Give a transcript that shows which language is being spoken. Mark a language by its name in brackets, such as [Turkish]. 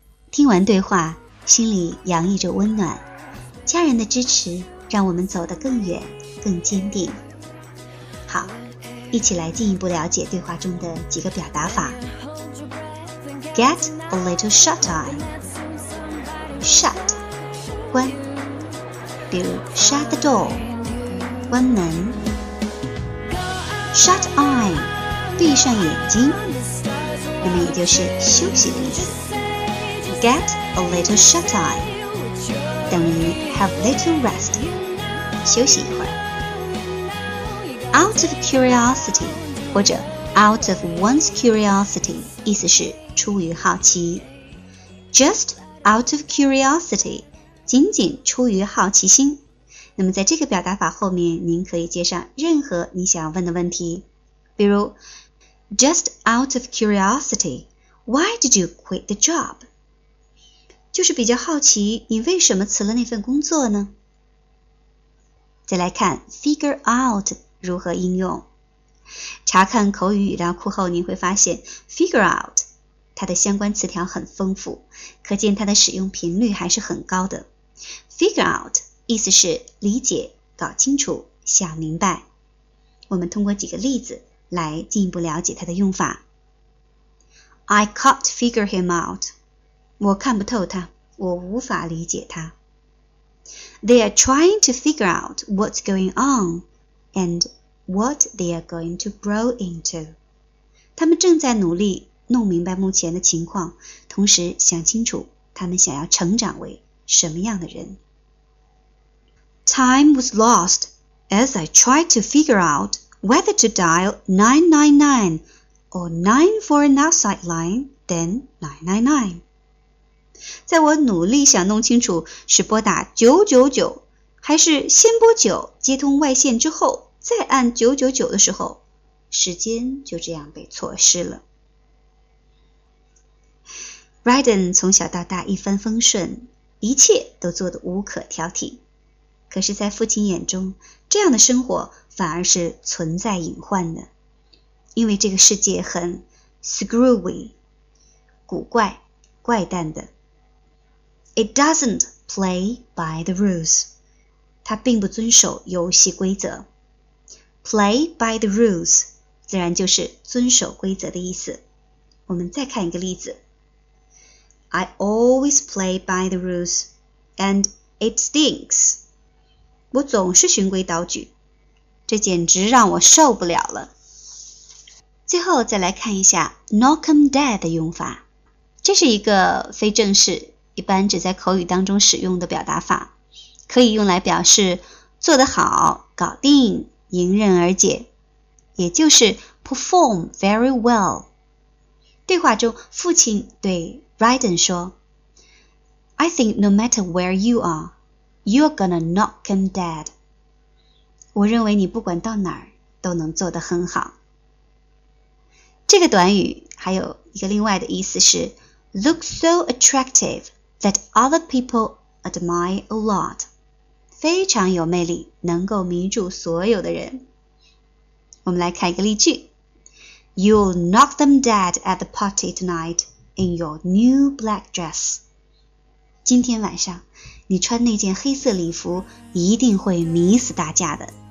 [Chinese] 听完对话，心里洋溢着温暖，家人的支持让我们走得更远更坚定。好，一起来进一步了解对话中的几个表达法。 [English] Get a little shut eye. [Chinese] Shut 关，比如 [English] shut the door [Chinese] 关门。 Shut eye 闭上眼睛，那么也就是休息的意思。 [English] Get a little shut eye, [Chinese] 等于 [English] have little rest, [Chinese] 休息一会儿。 [English] Out of curiosity, [Chinese] 或者 [English] out of one's curiosity, [Chinese] 意思是出于好奇。 [English] Just out of curiosity, [Chinese] 仅仅出于好奇心。那么在这个表达法后面，您可以接上任何你想要问的问题。比如 [English] ,Just out of curiosity, why did you quit the job? [Chinese] 就是比较好奇你为什么辞了那份工作呢？再来看 figure out 如何应用。查看口语语料库后，您会发现 figure out 它的相关词条很丰富，可见它的使用频率还是很高的。 figure out 意思是理解、搞清楚、想明白。我们通过几个例子来进一步了解它的用法。 [English] I can't figure him out. [Chinese] 我看不透他，我无法理解他。 [English] They are trying to figure out what's going on and what they are going to grow into. [Chinese] 他们正在努力弄明白目前的情况，同时想清楚他们想要成长为什么样的人。 [English] Time was lost as I tried to figure out whether to dial 999 or 9 for an outside line, then 999. [Chinese] 在我努力想弄清楚是拨打999还是先拨9接通外线之后再按999的时候，时间就这样被错失了。 Ryden 从小到大一帆风顺，一切都做得无可挑剔，可是在父亲眼中，这样的生活反而是存在隐患的，因为这个世界很 screwy， 古怪怪诞的。 [English] It doesn't play by the rules， [Chinese] 它并不遵守游戏规则。 Play by the rules 自然就是遵守规则的意思。我们再看一个例子， [English] I always play by the rules and it stinks， [Chinese] 我总是循规蹈矩，这简直让我受不了了。最后再来看一下 knock 'em dead 的用法，这是一个非正式，一般只在口语当中使用的表达法，可以用来表示做得好、搞定、迎刃而解，也就是 [English] perform very well。 [Chinese] 对话中父亲对 Ryden 说， [English] I think no matter where you are, you're gonna knock 'em dead， [Chinese] 我认为你不管到哪儿都能做得很好。这个短语还有一个另外的意思是 [English] look so attractive that other people admire a lot， [Chinese] 非常有魅力，能够迷住所有的人。我们来看一个例句， [English] You'll knock them dead at the party tonight in your new black dress， [Chinese] 今天晚上你穿那件黑色礼服一定会迷死大家的。